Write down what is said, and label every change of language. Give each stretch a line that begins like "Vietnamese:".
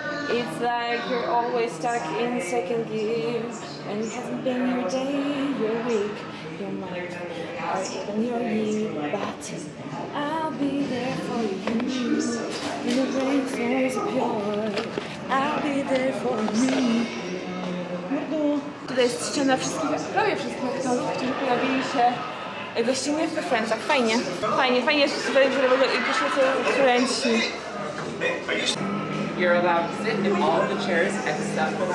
English: It's like you're always stuck in second gear. And it hasn't been your day, your week, your month, or even your year. But I'll be there for you. In the rain, there's a pure. I'll be there for you.
Polish: Tutaj jest ściana wszystkich, prawie wszystkich, którzy pojawili się. Gościnnie w Friendsach, fajnie. Fajnie, fajnie, że tutaj w ogóle i poszło to kręci.
English: You're allowed to sit in all the chairs except for the